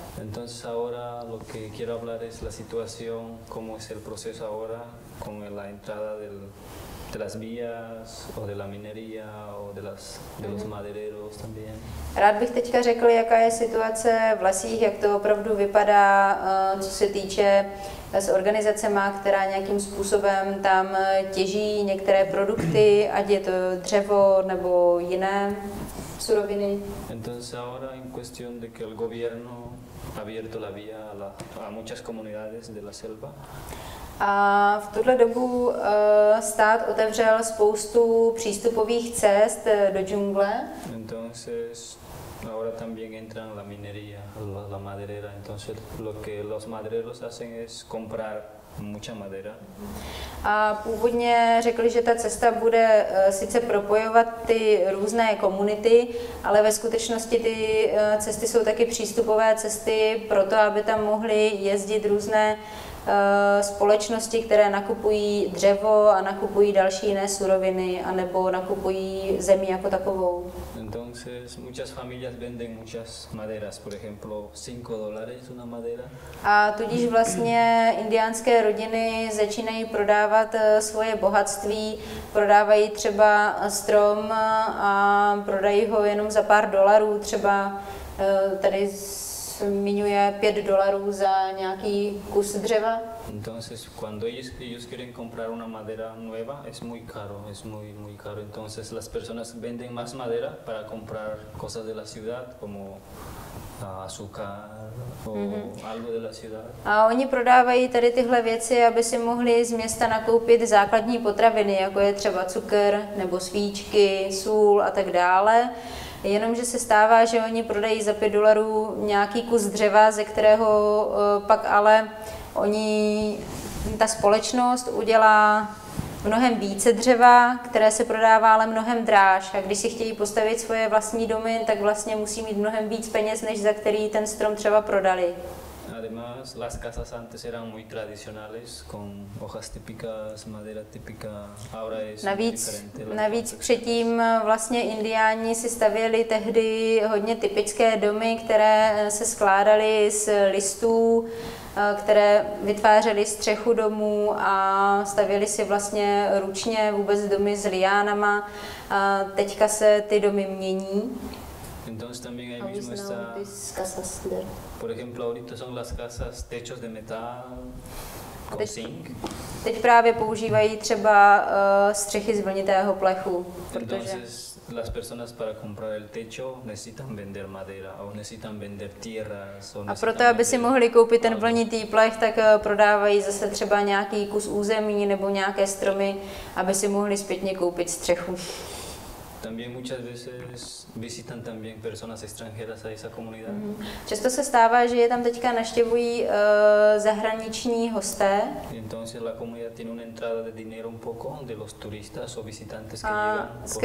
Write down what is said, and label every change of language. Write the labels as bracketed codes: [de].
[es] Entonces ahora lo que quiero hablar es la situación, cómo es el proceso ahora con la entrada de las vías o de la minería o de los madereros también. [cs] Rád bych teďka řekl, jaká je situace v lesích, jak to opravdu vypadá, co se týče s organizacemi, která nějakým způsobem tam těží některé produkty, ať je to dřevo nebo jiné suroviny. [es] Entonces ahora en cuestión de que el gobierno ha abierto la vía a muchas comunidades de la selva. [cs] A v tuhle dobu stát otevřel spoustu přístupových cest do džungle. [es] Entonces ahora también entran la minería, la maderera. Entonces lo que los madereros hacen es comprar mucha madera. [cs] A původně řekli, že ta cesta bude sice propojovat ty různé komunity, ale ve skutečnosti ty cesty jsou taky přístupové cesty pro to, aby tam mohly jezdit různé společnosti, které nakupují dřevo a nakupují další jiné suroviny, anebo nakupují zemi jako takovou. [es] Entonces, muchas familias venden muchas maderas, por ejemplo, $5 una madera. [cs] A tudíž vlastně indiánské rodiny začínají prodávat svoje bohatství, prodávají třeba strom a prodají ho jenom za pár dolarů, třeba tady zmiňuje $5 za nějaký kus dřeva. [es] Entonces, cuando ellos quieren comprar una madera nueva, es muy caro, es muy, muy caro. Entonces, las personas venden más madera para comprar cosas de la ciudad, como azúcar o algo de la ciudad. [cs] A oni prodávají tady tyhle věci, aby si mohli z města nakoupit základní potraviny, jako je třeba cukr, nebo svíčky, sůl a tak dále. Jenomže se stává, že oni prodají za $5 nějaký kus dřeva, ze kterého pak ale oni, ta společnost udělá mnohem více dřeva, které se prodává ale mnohem dráž. A když si chtějí postavit svoje vlastní domy, tak vlastně musí mít mnohem víc peněz, než za který ten strom třeba prodali. [es] Además, las casas antes eran muy tradicionales, con hojas típicas, madera típica. Ahora es diferente. [cs] Navíc předtím vlastně indiáni si stavěli tehdy hodně typické domy, které se skládaly z listů, které vytvářely střechu domů a stavěly si vlastně ručně vůbec domy s liánama. Teďka se ty domy mění. [es] Entonces también ahí mismo está, por ejemplo, ahorita son las casas techos de metal con zinc. [cs] Teď právě používají třeba střechy z vlnitého plechu, protože... [es] Entonces las personas para comprar el techo necesitan vender madera o necesitan vender tierras. [cs] A proto, aby si mohli koupit ten vlnitý plech, tak prodávají zase třeba nějaký kus území nebo nějaké stromy, aby si mohli zpětně koupit střechu. [es] También muchas veces visitan también personas extranjeras a esa comunidad. Mm-hmm. [cs] Často se stává, že je tam teďka navštěvují zahraniční hosté. [es] Entonces la comunidad tiene una entrada de dinero un poco de los turistas o visitantes que llegan.